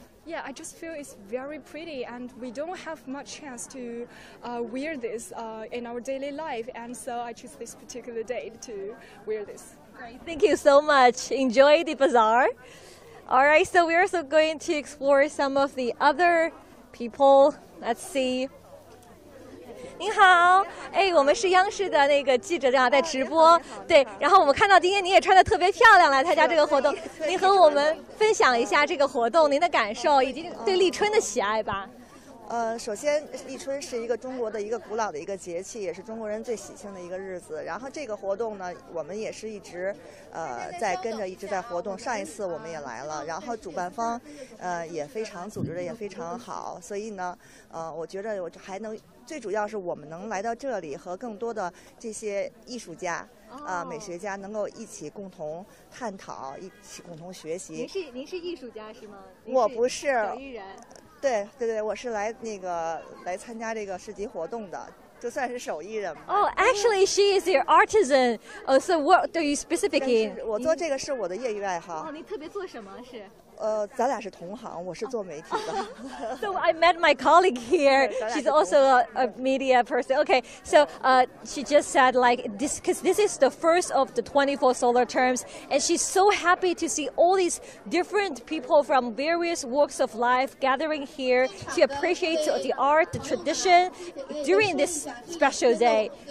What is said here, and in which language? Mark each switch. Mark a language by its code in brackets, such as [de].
[en] Yeah, I just feel it's very pretty and we don't have much chance to wear this in our daily life. And so I choose this particular day to wear this. Great. Thank you so much. Enjoy the bazaar. All right. So we're also going to explore some of the other people. Let's see. [zh] 你好, 我们是央视的那个记者在直播, 对, 然后我们看到今天你也穿得特别漂亮了, 参加这个活动, 您和我们分享一下这个活动, 您的感受, 以及对立春的喜爱吧。首先，立春是一个中国的一个古老的一个节气，也是中国人最喜庆的一个日子。然后这个活动呢，我们也是一直，在跟着一直在活动。上一次我们也来了，然后主办方，也非常组织的也非常好。所以呢，我觉得我还能，最主要是我们能来到这里，和更多的这些艺术家。美学家能够一起共同探讨，一起共同学习。您是艺术家是吗？我不是，艺人。对对对，我是来那个来参加这个市集活动的，就算是手艺人 [en] 吧。Actually, she is your artisan. So what do you specifically? [zh] 我做这个是我的业余爱好。您特别做什么是？咱俩是同行，我是做媒体的。 [en] So I met my colleague here. She's also a media person. Okay, so she just said like this, because this is the first of the 24 solar terms, and she's so happy to see all these different people from various walks of life gathering here. She appreciates the art, the tradition during this special day.